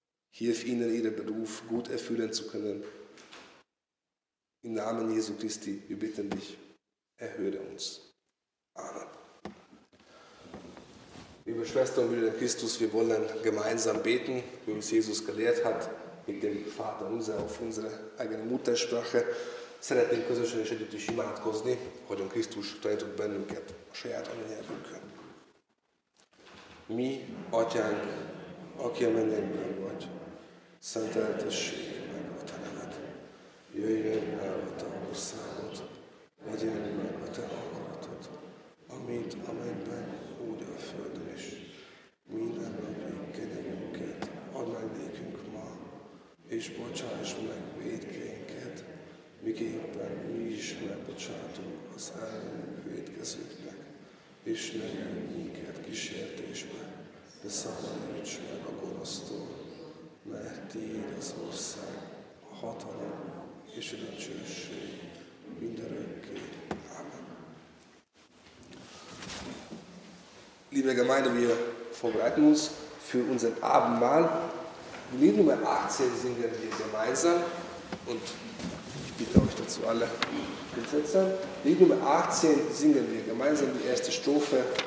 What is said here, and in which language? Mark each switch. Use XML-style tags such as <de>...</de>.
<de>Hilf ihnen, ihren Beruf gut erfüllen zu können. Im Namen Jesu Christi, wir bitten dich, erhöre uns. Amen. Liebe Schwester und Brüder Christus, wir wollen gemeinsam beten, wie uns Jesus gelehrt hat, mit dem Vater unser auf unsere eigene Muttersprache.</de> <hu>Seretnik közösen és együtt is imádkozni, hogy a Krisztus tanított bennünket a saját anyanyelvünkön. Mi, Atyánk, aki a mennyekben vagy, szenteltessék meg a te neved. Jöjjön el a te országod, legyen meg a te akaratod, amint a mennyben, úgy a földön is. Minden napi kenyerünket add meg nékünk ma, és bocsáss meg vétkeinket, miképpen mi is megbocsátunk az ellenünk vétkezőknek, és ne jöjjön minket kísértésbe, de szabadíts meg a gonosztól, mert tiéd az ország, hatalom és a dicsőség mindenki. Amen.</hu> <de>Liebe Gemeinde, wir vorbereiten uns für unseren Abendmahl. Lied Nummer 18 singen wir gemeinsam und ich bitte euch dazu alle mitzusetzen. Lied Nummer 18 singen wir gemeinsam die erste Strophe.</de>